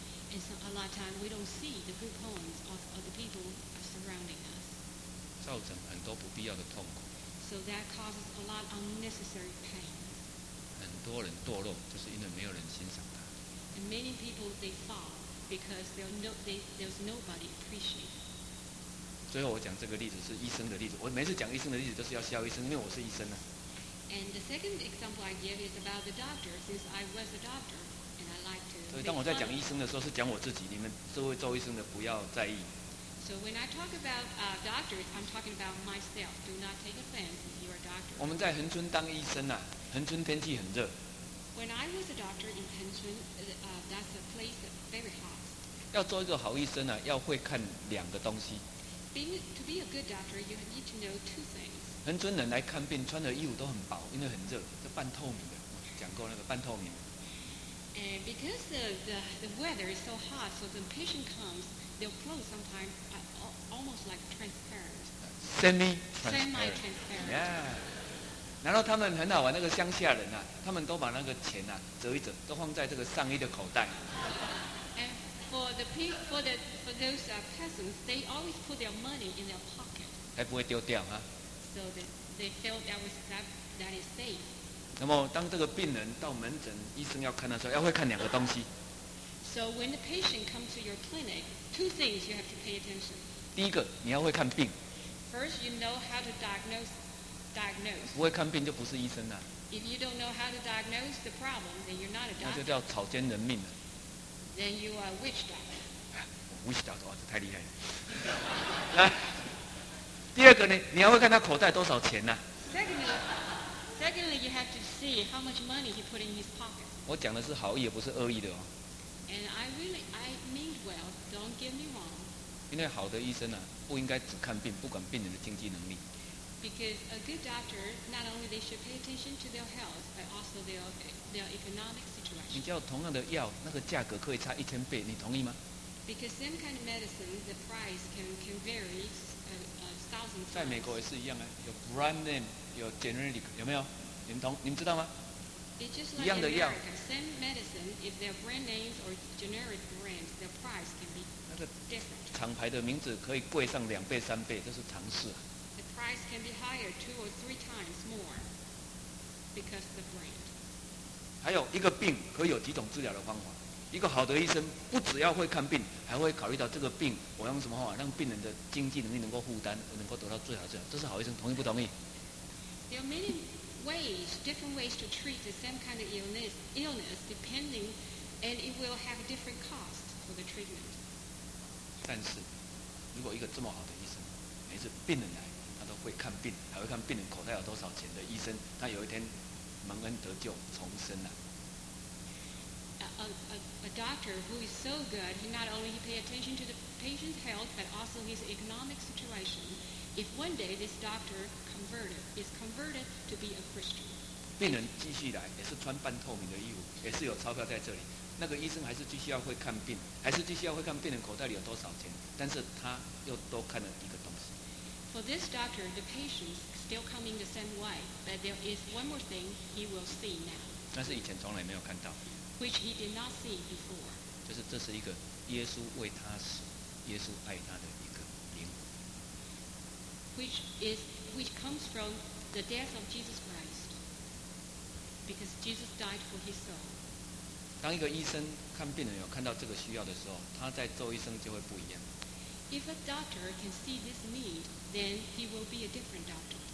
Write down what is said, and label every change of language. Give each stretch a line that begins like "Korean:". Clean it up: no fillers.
English: And so a lot of time we don't see the good points of the people surrounding us.
Chinese: 造成很多不必要的痛苦。
English: So that causes a lot of unnecessary pain.
Chinese: 很多人堕落就是因为没有人欣赏他。
English: And many people they fall. Because there's nobody appreciate.
Chinese: 最后我讲这个例子是医生的例子。我每次讲医生的例子都是要笑医生，因为我是医生啊。
English: And the second example I give is about the doctor, since I was a doctor, and I like to.
Chinese: 所以当我在讲医生的时候，是讲我自己。你们这位做医生的不要在意。
English: So when I talk about doctors, I'm talking about myself. Do not take offense if you are a doctor.
Chinese: 我们在恒春当医生啊，恒春天气很热。
English: When I was a doctor in Hengchun, that's a place very hot.
Chinese: 要做一个好医生啊，要会看两个东西。
English: To be a good doctor, you need to know two things.
Chinese: 恒春人来看病，穿的衣服都很薄，因为很热，就半透明的。我讲过那个半透明的。
English: And because the weather is so hot, so when patient comes, their clothes sometimes are almost like transparent. Semi-transparent. Yeah.
Chinese: 然后他们很好玩，那个乡下人啊，他们都把那个钱啊折一折，都放在这个上衣的口袋。
English: And for those peasants, they always put their money in their pocket.
Chinese: 还不会丢掉啊。
English: So they felt that is safe.
Chinese: 那么当这个病人到门诊，医生要看的时候，要会看两个东西。
English: So when the patient comes to your clinic, two things you have to pay attention.
Chinese: 第一个，你要会看病。
English: First, you know how to diagnose.
Chinese: 不会看病就不是医生了。
English: If you don't know how to diagnose the problem, then you're not a doctor.
Chinese: 那就叫草菅人命了。
English: Then you are a witch doctor. Witch doctor，
Chinese: 哇，这太厉害了。第二个呢，你要会看他口袋多少钱呢、啊、
English: ？Secondly, you have to see how much money he put in his pocket.
Chinese: 我讲的是好意，也不是恶意的哦。
English: And I mean well. Don't get me wrong.
Chinese: 因为好的医生呢、啊，不应该只看病，不管病人的经济能力。
English: Because a good doctor not only they should pay attention to their health, but also their economic situation.
Chinese: 你叫同样的药，那个价格可以差一千倍，你同意吗
English: ？Because same kind of medicine, the price can vary.
Chinese: 在美国也是一样啊，有 brand name， 有 generic， 有没有？你们知道吗？
English: It's just like
Chinese: 一样的药，
English: America, same medicine, if they're brand names or generic brands, their price can be different.
Chinese: 那个厂牌的名字可以贵上两倍、三倍，这是常事、啊。
English: The price can be higher two or three times more because of the brand.
Chinese: 还有一个病可以有几种治疗的方法。一个好的医生不只要会看病，还会考虑到这个病我用什么方法让病人的经济能力能够负担，能够得到最好的治疗。这是好医生，同意不同意
English: ？There are many ways, different ways to treat the same kind of illness, depending, and it will have a different cost for the treatment.
Chinese: 但是，如果一个这么好的医生，每次病人来，他都会看病，还会看病人口袋有多少钱的医生，他有一天蒙恩得救重生了、啊。
English: A doctor who is so good, he pay attention to the patient's health, but also his economic situation. If one day this doctor is converted to be a Christian,
Chinese: 病人继续来，也是穿半透明的衣服，也是有钞票在这里。那个医生还是继续要会看病，还是继续要会看病人口袋里有多少钱，但是他又多看了一个东西。
English: For this doctor, the patient's still coming the same way, but there is one more thing he will see now.
Chinese: 但是以前从来没有看到。
English: Which he did not see before.
Chinese: 就是这是一个耶稣为他死，耶稣爱他的一个灵魂。
English: Which comes from the death of Jesus Christ, because Jesus died for his soul.
Chinese: 当一个医生看病人有看到这个需要的时候，他在做医生就会不一样。
English: If a doctor can see this need, then he will be a different doctor.